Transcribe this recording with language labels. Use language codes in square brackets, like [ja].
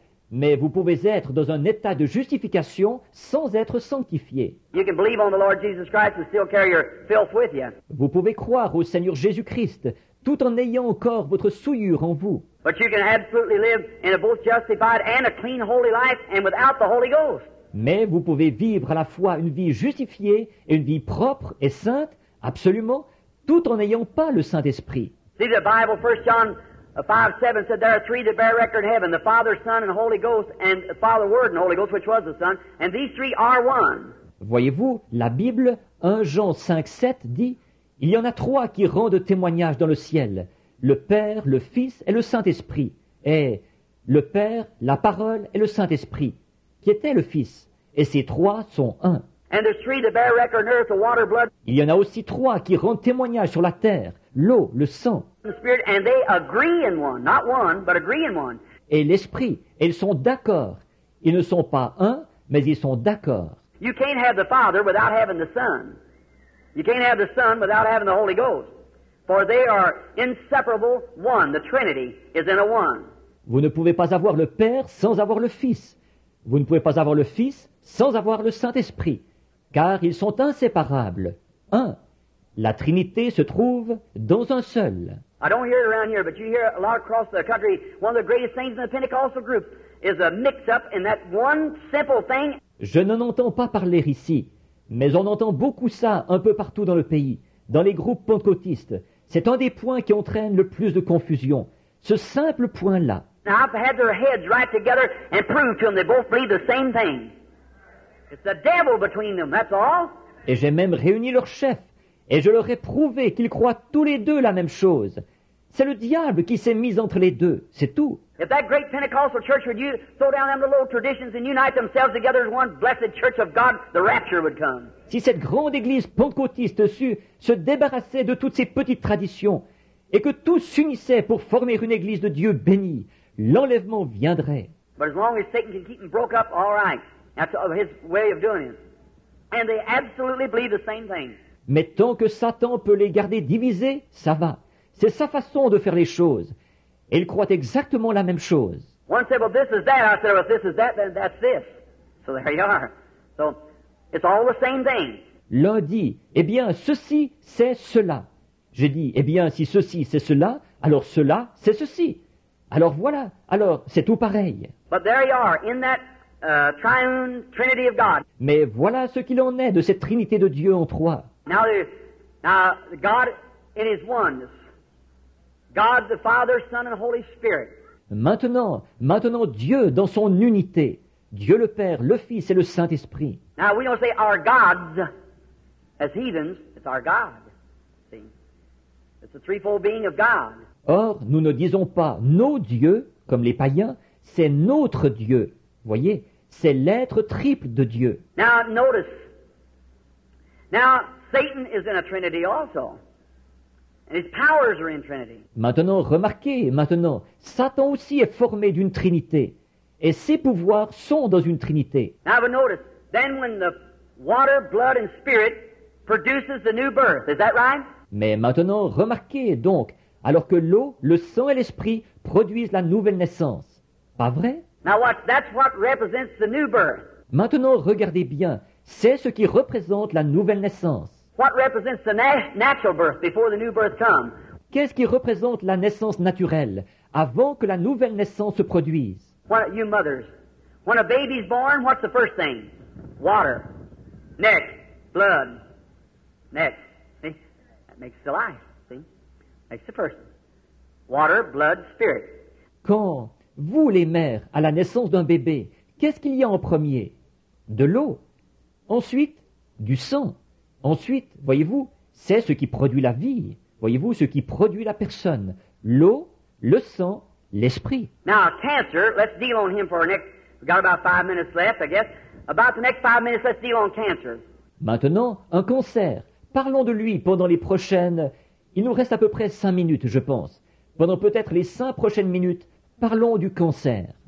[fr] Mais vous pouvez être dans un état de justification sans être sanctifié. [en] You can believe on the Lord Jesus Christ and still carry your filth with you. [fr] Vous pouvez croire au Seigneur Jésus-Christ tout en ayant encore votre souillure en vous. [en] But you can absolutely live in a both justified and a clean holy life and without the Holy Ghost. [fr] Mais vous pouvez vivre à la fois une vie justifiée et une vie propre et sainte, absolument, tout en n'ayant pas le Saint-Esprit. [en] See the Bible, 1 John 5:7 said there are three that bear record in heaven, the Father, Son, and Holy Ghost, and the Father, Word, and Holy Ghost, which was the Son, and these three are one. [fr] Voyez-vous, la Bible, 1 Jean 5:7 dit, il y en a trois qui rendent témoignage dans le ciel, le Père, le Fils, et le Saint-Esprit. est le Père, la Parole et le Saint-Esprit, qui était le Fils. Et ces trois sont un. [en] And there's three that bear record on earth, the water, blood. [fr] Il y en a aussi trois qui rendent témoignage sur la terre, l'eau, le sang. [en] And they agree in one, not one, but agree in one. [fr] Et l'Esprit, et ils sont d'accord. Ils ne sont pas un, mais ils sont d'accord. [en] You can't have the Father without having the Son. You can't have the Son without having the Holy Ghost. For they are inseparable one. The Trinity is in a one. [fr] Vous ne pouvez pas avoir le Père sans avoir le Fils. Vous ne pouvez pas avoir le Fils sans avoir le Saint-Esprit. Car ils sont inséparables. Un. La Trinité se trouve dans un seul. [en] I don't hear it around here, but you hear it a lot across the country. One of the greatest things in the Pentecostal group is a mix-up in that one simple thing. [fr] Je n'en entends pas parler ici, mais on entend beaucoup ça un peu partout dans le pays, dans les groupes pentecôtistes. C'est un des points qui entraîne le plus de confusion, ce simple point-là. [en] Now I've had their heads right together and proved to them they both believe the same thing. It's the devil between them, that's all. [fr] Et j'ai même réuni leurs chefs, et je leur ai prouvé qu'ils croient tous les deux la même chose. C'est le diable qui s'est mis entre les deux, c'est tout. [en] If that great Pentecostal church would you throw down them little traditions and unite themselves together as one blessed church of God, the rapture would come. [fr] Si cette grande église pentecôtiste sut se débarrasser de toutes ces petites traditions et que tous s'unissaient pour former une église de Dieu béni, l'enlèvement viendrait. [en] But as long as Satan can keep them broke up, all right. That's his way of doing it. And they absolutely believe the same thing. [fr] Mais tant que Satan peut les garder divisés, ça va. C'est sa façon de faire les choses. Et ils croient exactement la même chose. [en] One said, well, this is that. I said, well, this is that, then that's this. So there you are. So it's all the same thing. [fr] L'un dit, eh bien, ceci, c'est cela. J'ai dit, eh bien, si ceci, c'est cela, alors cela, c'est ceci. Alors voilà. Alors, c'est tout pareil. [en] But there you are, in that triune trinity of God. [fr] Mais voilà ce qu'il en est de cette trinité de Dieu en trois. [en] Now, God in his oneness. God the Father, Son, and Holy Spirit. [fr] Maintenant Dieu dans son unité. Dieu le Père, le Fils et le Saint-Esprit. [en] Now we don't say our gods as heathens, it's our God. See? It's the threefold being of God. [fr] Or, nous ne disons pas nos dieux comme les païens, c'est notre Dieu. Voyez, c'est l'être triple de Dieu. [en] Now notice. Now Satan is in a trinity also. And his powers are in Trinity. [fr] Maintenant, Satan aussi est formé d'une trinité, et ses pouvoirs sont dans une trinité. [en] Now, but notice, then when the water, blood, and spirit produces the new birth, is that right? [fr] Mais maintenant, remarquez donc, alors que l'eau, le sang et l'esprit produisent la nouvelle naissance, pas vrai? [en] Now watch, that's what represents the new birth. [fr] Maintenant, regardez bien, c'est ce qui représente la nouvelle naissance. [en] What represents the natural birth before the new birth comes? [fr] Qu'est-ce qui représente la naissance naturelle avant que la nouvelle naissance se produise? [en] What you mothers, when a baby's born, what's the first thing? Water. Next, blood. Next, see? That makes the life, see? Makes the person. Water, blood, spirit. [fr] Quand vous les mères à la naissance d'un bébé, qu'est-ce qu'il y a en premier? De l'eau. Ensuite, du sang. Ensuite, voyez-vous, c'est ce qui produit la vie. Voyez-vous, ce qui produit la personne. L'eau, le sang, l'esprit. Now, cancer, let's deal on him for our next... We've got about 5 minutes left, I guess. About the next 5 minutes, let's deal on cancer. Maintenant, un cancer. Parlons de lui pendant les prochaines... Il nous reste à peu près 5 minutes, je pense. Pendant peut-être les 5 prochaines minutes, parlons du cancer.